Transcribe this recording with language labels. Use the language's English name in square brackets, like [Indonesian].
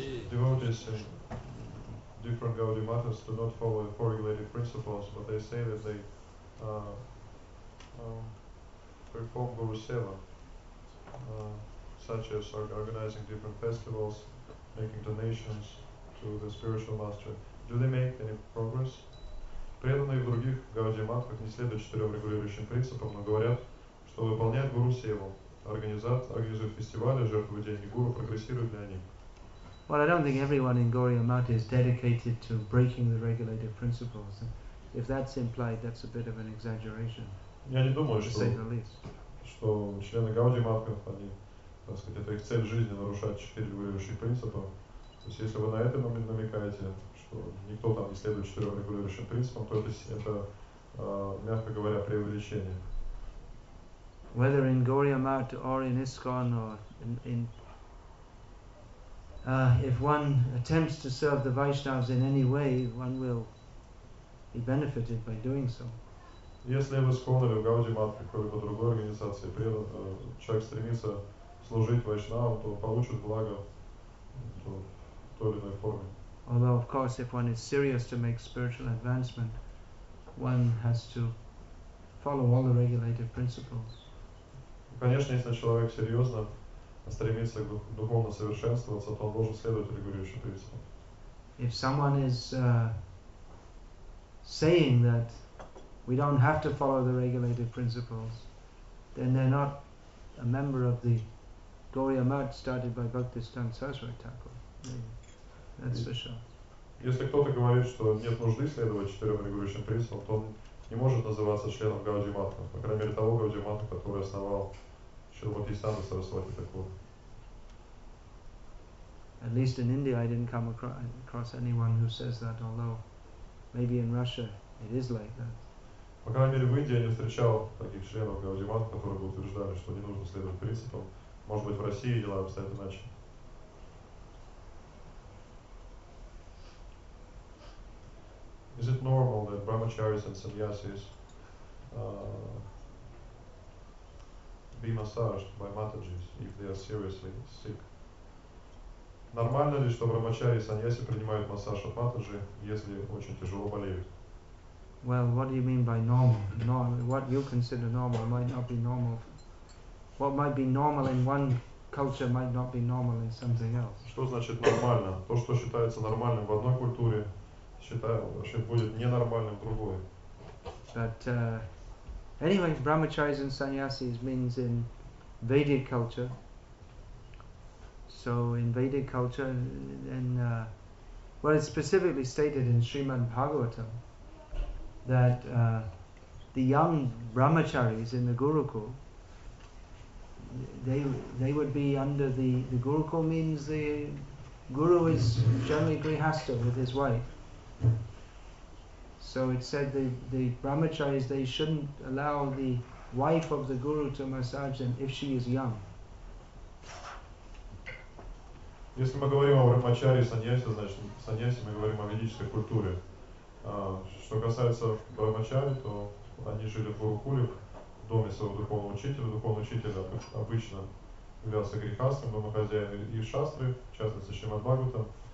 [English] Devotees in different Gaudiya Mathas do not follow the four regulated principles, but they say that they perform Guru Seva, such as organizing different festivals, making donations to the spiritual master. Do they make any progress? [Russian] Преданные в других Гауди Матхах не следуют четырем регулирующим принципам, но говорят, что выполняют гуру севу, организуют фестивали, жертвуют деньги, гуру прогрессирует для них. [English] Well, I don't think everyone in Gauriya Math is dedicated to breaking the regulative principles. If that's implied, that's a bit of an exaggeration, [Russian] я не думаю, [English] to say the least. [Russian] Что члены Гауди Матхах, они, так сказать, это их цель жизни нарушать четыре регулирующих принципа. То есть, если вы на это намекаете, что никто там не следует четырем регулирующим принципам, то это мягко говоря, преувеличение. [English] Whether in Gauriya Math or in ISKCON or in if one attempts to serve the Vaishnavas in any way, one will be benefited by doing so. [Russian] Если в ИСККОН или в Гауди Матхе, какой-либо другой организации, человек стремится служить Вайшнавам, то получит благо в той или иной форме. [English] Although, of course, if one is serious to make spiritual advancement, one has to follow all the regulated principles. [Russian] Конечно, если человек серьезно стремится к духовно совершенствоваться, то он должен следовать регулирующим принципам. [English] If someone is saying that we don't have to follow the regulated principles, then they're not a member of the Gauriya Math started by Bhaktisiddhanta Saraswati Thakur. That's for sure. [Russian] Если кто-то говорит, что нет нужды следовать четырем регулирующим принципам, то он не может называться членом Гауди Матха, по крайней мере того Гауди Матха, который основал Шрила Бхактисиддханта Сарасвати Такур. [English] At least in India I didn't come across anyone who says that, although maybe in Russia it is like that. [Russian] По крайней мере, в Индии я не встречал таких членов Гауди Матха, которые бы утверждали, что не нужно следовать принципам. Может быть, в России дела обстоят иначе. [English] Is it normal that brahmacharis and sannyasis be massaged by matajis if they are seriously sick? [Russian] Нормально ли, что брахмачари и саньяси принимают массаж от матаджи, если очень тяжело болеют? [English] Well, what do you mean by normal? What you consider normal might not be normal. What might be normal in one culture might not be normal in something else. [Russian] Что значит нормально? То, что считается нормальным в одной культуре, считается, будет ненормальным в другой. [English] But anyway, brahmacharis and sannyasis means in Vedic culture. So in Vedic culture, and well, it's specifically stated in Srimad Bhagavatam that the young brahmacharis in the Gurukul, they would be under the Gurukul means the guru is generally grihastha with his wife. So it said the brahmacharis, they shouldn't allow the wife of the guru to massage them if she is young. [Russian] Если мы говорим о брахмачари и саньяси, значит, саньяси мы говорим о ведической культуре. Что касается брахмачари, то они жили в Гурукуле, в доме своего духовного учителя. Духовный учитель обычно являлся грихастом, домохозяин и шастры, в частности, Шримад Бхагаватам.